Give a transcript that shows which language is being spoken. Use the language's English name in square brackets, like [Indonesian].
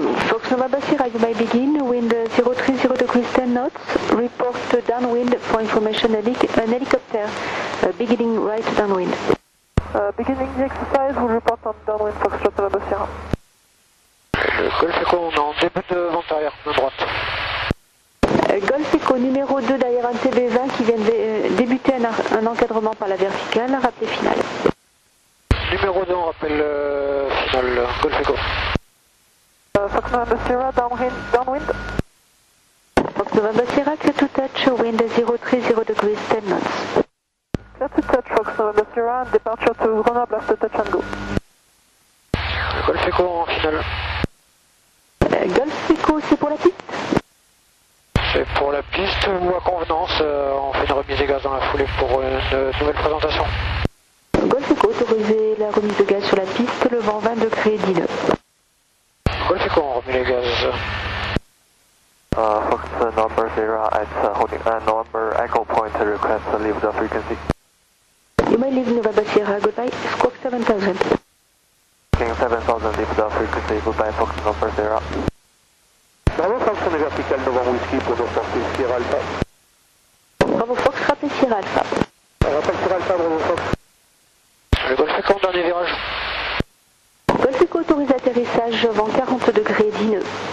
[English] Fox November Sierra, you may begin, wind 030 degrees 10 knots, report downwind for information, an helicopter beginning right downwind. Beginning the exercise, we'll report on downwind Fox Trot November Sierra. [French] Golf Echo, on est en début de vent arrière, de droite. Golf Echo numéro 2 derrière un TB20 qui vient de débuter un encadrement par la verticale, rappelé final. Numéro 2, on rappelle final, Golf Echo. [English] Fox November Sierra, downwind. Fox November Sierra, clear to touch, wind 030 degrees, 10 knots. Clear to touch, Fox November Sierra, and departure to Grenoble after touch and go. [French] Golf Echo en final. Golf Echo, c'est pour la piste? C'est pour la piste ou à convenance, on fait une remise des gaz dans la foulée pour une nouvelle présentation. Golf Echo, autorisez la remise de gaz sur la piste, le vent 20 degrés, 10 nœuds. Golf Echo, on remet les gaz. [English] Fox November Zero at holding November Echo Point to request to leave the frequency. You may leave November Sierra, goodbye, squawk 7000. King 7000, leave the frequency, goodbye Fox November Zero. [French] Bravo Fox, on est vertical devant Whiskey pour nous porter Sierra Alpha. Bravo Fox, rappelez Sierra Alpha. Rappelez Sierra Alpha, bravo Fox. Le Golf Echo, dernier virage. Golf Echo autorise atterrissage, vent 40 degrés, 10 nœuds.